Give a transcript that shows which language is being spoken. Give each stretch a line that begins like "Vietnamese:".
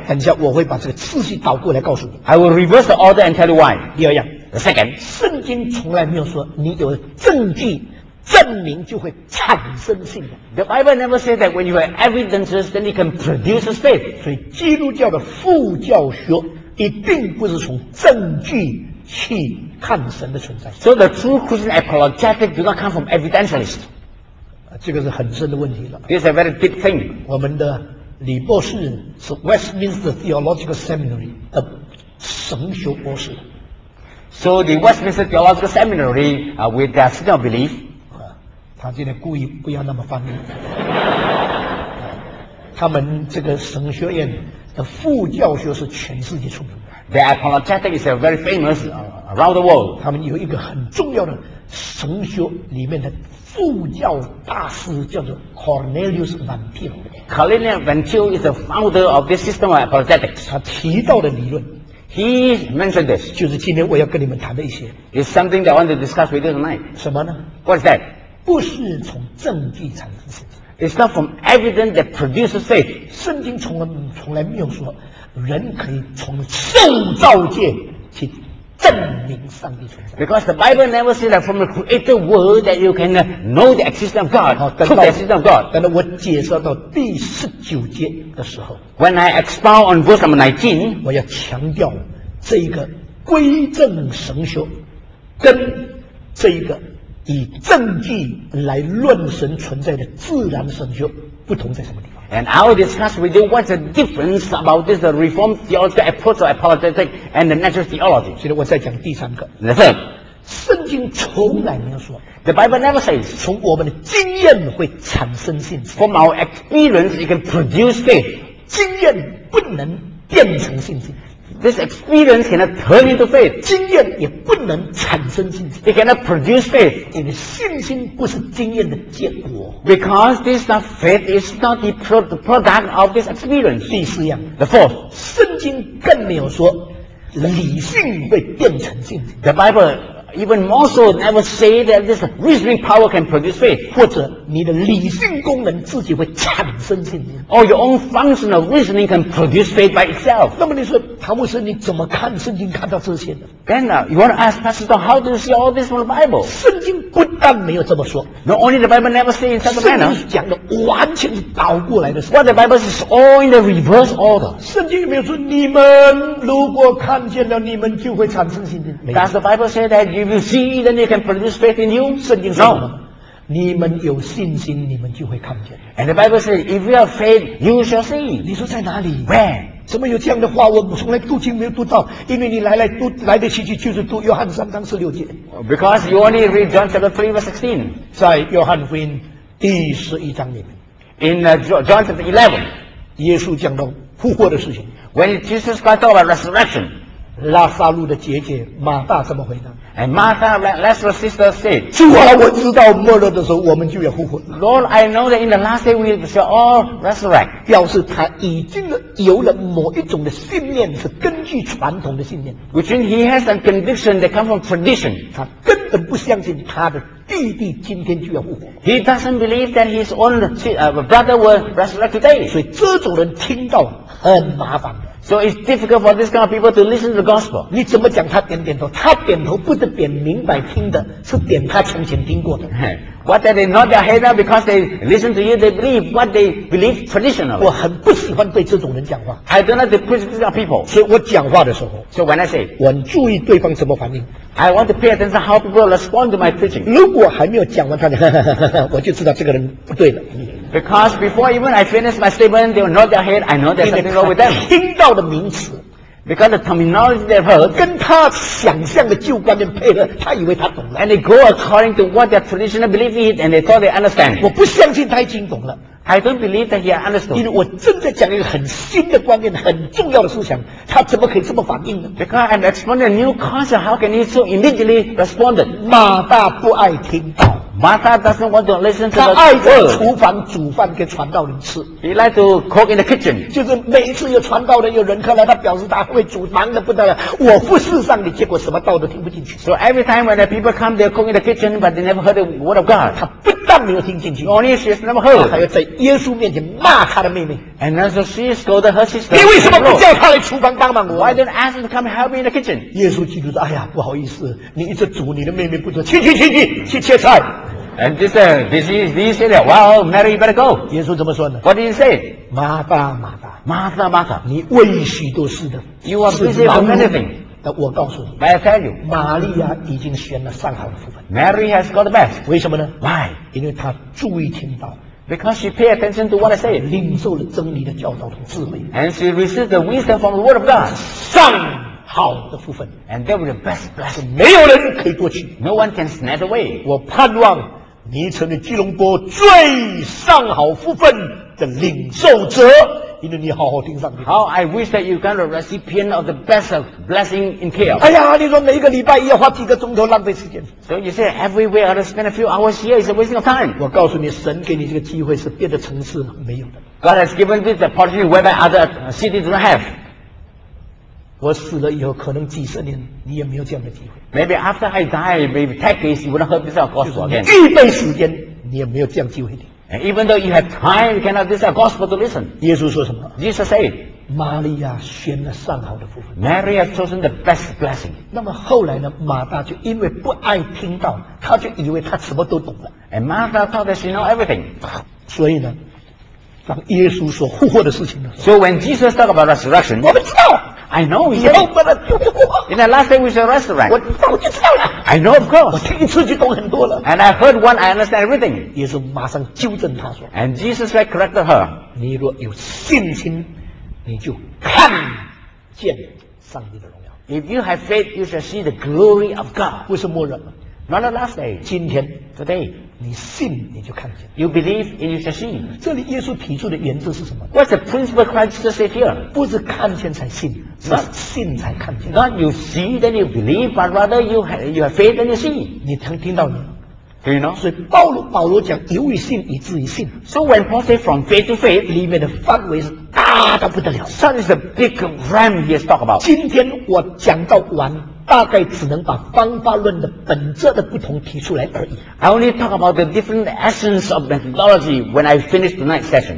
Chinese: 等一下我会把这个次序倒过来告诉你
English: I will reverse the order and tell you why
Chinese: 第二样
English: the second
Chinese: 圣经从来没有说你有证据证明就会产生信仰。
English: The Bible never says that when you have evidences, then it can produce faith.
Chinese: 所以基督教的副教学一定不是从证据去看神的存在。
English: So the true Christian apologetic do not come from evidentialist.
Chinese: 这个是很深的问题了。
English: This is a very deep thing.
Chinese: 我们的李博士是 Westminster Theological Seminary 的神学博士。
English: So the Westminster Theological Seminary, with their system of belief,
Chinese: 他今天故意不要那么翻译他们这个神学院的副教学是全世界出名的
English: The apologetic is very famous around the world
Chinese: 他们有一个很重要的神学里面的副教大师叫做 Cornelius Van Til
English: Cornelius Van Til is the founder of this system of apologetics
Chinese: 他提到的理论
English: He mentioned this
Chinese: 就是今天我要跟你们谈的一些
English: It's something that I want to discuss with you tonight
Chinese: 什么呢
English: What's that?
Chinese: 不是从证据产生信心。
English: It's not from evidence that produces faith.
Chinese: 圣经从来没有说人可以从受造界去证明上帝存在。
English: Because the Bible never says that from the created world that you can know the existence of God, prove the existence of God.
Chinese: 等到我解释到第十九节的时候
English: ，When I expound on verse number 19,
Chinese: 我要强调这一个归正神学跟这一个。以证据来论神存在的自然神学不同在什么地方
English: And I will discuss with you what's the difference about this Reformed theology approach to apologetics and the natural theology
Chinese: 现在我再讲第三个
English: The third
Chinese: 圣经从来没有说
English: The Bible never says
Chinese: 从我们的经验会产生信心
English: From our experience it can produce faith
Chinese: 经验不能变成信心
English: This experience cannot turn into faith.
Chinese: 经验也不能产生信心。
English: It cannot produce faith.
Chinese: 你的信心不是经验的结果。
English: Because this faith is not the product of this experience.
Chinese: 第四样。
English: The fourth.
Chinese: 圣经更没有说理性会变成信心。
English: The Bible even more so never say that this reasoning power can produce faith.
Chinese: 或者你的理性功能自己会产生信心。
English: Or your own function of reasoning can produce faith by itself.
Chinese: 那么你说，唐牧师，你怎么看圣经看到这些呢？
English: Then you want to ask Pastor, how do you see all this from the Bible?
Chinese: 圣经不但没有这么说。
English: Not only the Bible never say in such a manner.
Chinese: 圣经讲的完全是倒过来的。
English: What the Bible says is all in the reverse order.
Chinese: 圣经也没有说你们如果看见了，你们就会产生信心。
English: Does the Bible say that if you see, then you can produce faith in you?
Chinese: 圣经说什么？你们有信心，你们就会看见。
English: And the Bible says, if you have faith, you shall see.
Chinese: 你说在哪里
English: ？Where？
Chinese: 怎么有这样的话？我从来读经没有读到，因为你来来去去就是读约翰三章十六节。
English: Because you only read John chapter 3 verse 16.
Chinese: 在约翰福音第十一章里面。
English: In John chapter 11,
Chinese: 耶稣讲到复活的事情。
English: When Jesus talked about resurrection,
Chinese: 拉撒路的姐姐马大怎么回答？
English: And Martha, Lazarus' sister said,
Chinese: 主啊，我知道末日的时候我们就要复活。
English: Lord, I know that in the last day we shall all resurrect.
Chinese: 表示他已经有了某一种的信念，是根据传统的信念。
English: Which means he has a conviction that comes from tradition.
Chinese: 他根本不相信他的弟弟今天就要复活。
English: He doesn't believe that his own brother will resurrect today.
Chinese: 所以这种人听到很麻烦。
English: So it's difficult for this kind of people to listen to the gospel.
Chinese: 你怎么讲他点点头？他点头不是点明白听的，是点他从前听过的。
English: What that they nod their head up because they listen to you, they believe what they believe traditionally.
Chinese: 我很不喜欢对这种人讲话。
English: I don't like to preach to these people.
Chinese: 所以我讲话的时候
English: ，So when I say,
Chinese: 我很注意对方怎么反应。
English: I want to pay attention how people respond to my preaching.
Chinese: 如果还没有讲完，他就我就知道这个人不对了。
English: Because before even I finish my statement, they will nod their head. I know there's something wrong with them.
Chinese: 听到的名词
English: ，because the terminology they've heard,
Chinese: 跟他想象的旧观念配合，他以为他懂了。
English: And they go according to what their traditional belief is, and they thought they understand.
Chinese: 我不相信他已经懂了。
English: I don't believe that he understood.
Chinese: 因为我正在讲一个很新的观念，很重要的思想，他怎么可以这么反应呢
English: ？Because I'm explaining a new concept. How can he so immediately respond?
Chinese: 马大不爱听到。
English: Martha doesn't want to listen to the
Chinese: word. 他爱在厨房煮饭给传道人吃。
English: He likes to cook in the kitchen.
Chinese: 就是每一次有传道人有人客来，他表示他会煮，忙得不得了。我不侍上你，结果什么道都听不进去。
English: So every time when the people come, they cook in the kitchen, but they never heard the word of God.
Chinese: 他不但没有听进去
English: ，only she has never heard.
Chinese: 他要在耶稣面前骂他的妹妹。
English: And then she scolded her sister.
Chinese: 你为什么不叫他来厨房帮忙我
English: ？Why don't ask him to come help me in the kitchen?
Chinese: 耶稣基督说：“哎呀，不好意思，你一直煮你的妹妹不做，去切菜。”
English: And this is said, "Well, Mary, you better go."
Chinese: 耶稣怎么说呢
English: ？What did he say?
Chinese: 马大，马大，
English: 马大，马大，
Chinese: 你为许多事的
English: ，You are busy for many things.
Chinese: 但我告诉你
English: ，But I tell you,
Chinese: 玛利亚已经选了上好的福分。
English: Mary has got the best.
Chinese: 为什么呢
English: ？Why?
Chinese: 因为她注意听到。
English: Because she paid attention to what I said.
Chinese: 领受了真理的教导和智慧。
English: And she received the wisdom from the word of God.
Chinese: 上好的福分。
English: And that was the best blessing.
Chinese: 没有人可以夺取。
English: No one can snatch away.
Chinese: 我盼望。你成了基隆坡最上好福分的领受者，因为你好好听上帝。
English: How I wish that you got a recipient of the best of blessing in KL.
Chinese: 哎呀，你说每一个礼拜要花几个钟头浪费时间。
English: So you say every week I have to spend a few hours here is a wasting of time.
Chinese: 我告诉你，神给你这个机会是别的城市没有的。
English: God has given this the opportunity whereby other cities do not have.
Chinese: 我死了以后，可能几十年你也没有这样的机会。
English: Maybe after I die, maybe decades, you wouldn't hear this gospel again.
Chinese: 预备时间，你也没有这样机会的。
English: And even though you have time, you cannot this gospel to listen.
Chinese: 耶稣说什么
English: ？Jesus said,
Chinese: 玛利亚选了上好的福分。
English: Mary has chosen the best blessing.
Chinese: 那么后来呢？马大就因为不爱听到，他就以为他什么都懂了。
English: And Martha thought that she knows everything.
Chinese: 所以呢，当耶稣说复活的事情呢
English: ？So when Jesus talked about resurrection,
Chinese: 我们知道。
English: I know. Yeah, in the last day we shall resurrect.
Chinese: 我早就知道了。
English: I know, of course.
Chinese: 我听一次就懂很多了。
English: And I heard one, I understand everything.
Chinese: 耶稣马上纠正他说。
English: And Jesus right corrected her.
Chinese: 你若有信心，你就看见上帝的荣耀。
English: If you have faith, you shall see the glory of God.
Chinese: 不是末日。
English: Not the last day.
Chinese: 今天
English: ，today.
Chinese: 你信你就看见。
English: You believe, and you shall see.
Chinese: 这里耶稣提出的原则是什么
English: ？What's the principle Christ said here?
Chinese: 不是看见才信。信才看见。
English: Not you see, then you believe, but rather you have faith and you see.
Chinese: 你能听到吗
English: ？Do you know?
Chinese: 所以保罗讲，由于信以至于信。
English: So when Paul say from faith to faith,
Chinese: 里面的范围是大得不得了。
English: Such a big ram he is talk about.
Chinese: 今天我讲到完，大概只能把方法论的本质的不同提出来而已。
English: I only talk about the different essence of methodology when I finish tonight's session.